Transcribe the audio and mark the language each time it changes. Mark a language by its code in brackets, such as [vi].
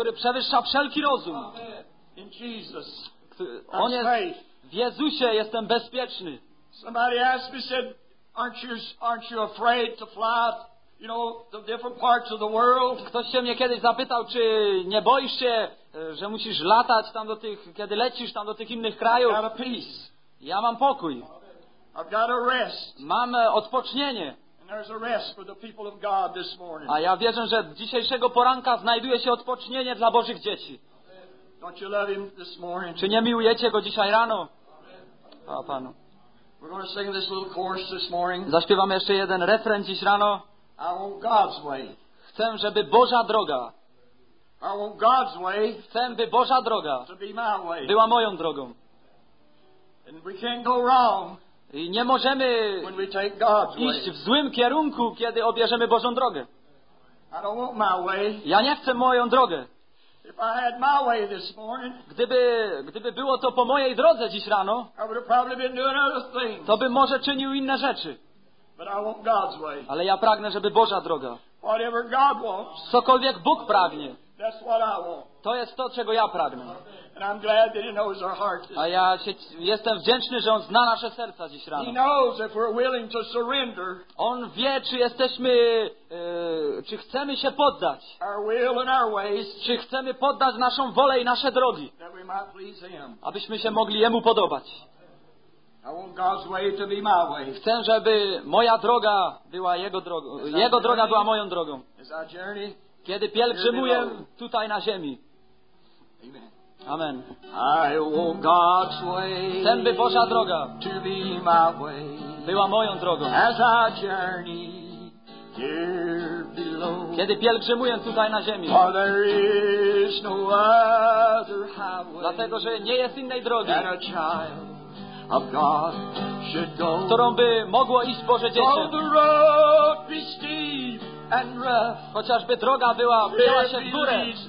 [pl] Który przewyższa wszelki rozum. [en] In Jesus. [pl] On jest w Jezusie jestem bezpieczny. [en] Somebody asked me, said, Aren't you afraid to fly, you know, the different parts of the world? [pl] Ktoś się mnie kiedyś zapytał, czy nie boisz się, że musisz latać tam do tych, kiedy lecisz tam do tych innych krajów? [en] I've got a peace. [pl] Ja mam pokój. [en] I've got a rest. [pl] Mam odpocznienie. [en] And there's a rest for the people of God this morning. [pl] A ja wierzę, że dzisiejszego poranka znajduje się odpocznienie dla Bożych dzieci. [en] Don't you love him this morning? [pl] Czy nie miłujecie go dzisiaj rano? A Panu. [en] We're going to sing this little chorus this morning. [pl] Zaśpiewamy jeszcze jeden refren dziś rano. [en] I want God's way. [pl] Chcę, żeby Boża droga. [en] I want God's way. [pl] Chcę, by Boża droga [en] to be my way. [pl] Była moją drogą. [en] And we can't go wrong. [pl] I nie możemy [en] when we take God's [pl] iść [en] way. [pl] W złym kierunku, kiedy obierzemy Bożą drogę. [en] I don't want my way. [pl] Ja nie chcę moją drogę. [en] If I had my way this morning, [pl] gdyby było to po mojej drodze dziś rano, [en] I would have probably been doing other things. [pl] To bym może czynił inne rzeczy. [en] But I want God's way. [pl] Ale ja pragnę, żeby Boża droga. [en] Whatever God wants, [pl] cokolwiek Bóg pragnie, [en] that's what I want. [pl] To jest to, czego ja pragnę. [en] And I'm glad that he knows our heart this [pl] A ja się, jestem wdzięczny, że On zna nasze serca dziś rano. [en] He knows if we're willing to surrender, [pl] On wie, czy jesteśmy, czy chcemy się poddać. [en] Our will and our ways, [pl] czy chcemy poddać naszą wolę i nasze drogi. [en] That we might please him. [pl] Abyśmy się mogli Jemu podobać. [en] I want God's way to be my way. [pl] Chcę, żeby moja droga była Jego drogą. Jego droga była moją drogą. Kiedy pielgrzymuję tutaj na ziemi. Amen. Amen. [en] I want God's way. [pl] Chcę, by Boża droga [en] to be my way. [pl] Była moją drogą. [en] As I journey here below. [pl] Kiedy pielgrzymuję tutaj na ziemi. [en] For there is no other highway. [pl] Dlatego, że nie jest innej drogi. [en] That a child of God should go. [pl] Którą by mogło iść Boże dziecię. [en] Though the road be steep and rough. [pl] Chociażby droga była się w górę.